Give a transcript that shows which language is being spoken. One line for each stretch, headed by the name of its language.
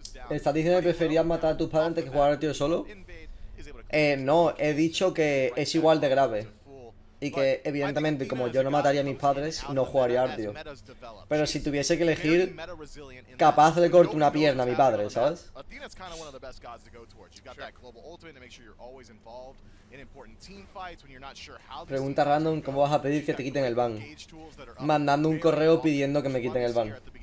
Spanish: ¿Estás diciendo que preferías matar a tus padres antes que jugar a Ardio solo? No, he dicho que es igual de grave. Y que evidentemente como yo no mataría a mis padres, no jugaría a Ardio. Pero si tuviese que elegir, capaz le corto una pierna a mi padre, ¿sabes?
English: Athena es kind of one of the best gods to go towards. You've got that global ultimate to make sure you're always involved in important team fights when you're not sure how.
Spanish: Pregunta random, ¿cómo vas a pedir que te quiten el ban? Mandando un correo pidiendo que me quiten el ban.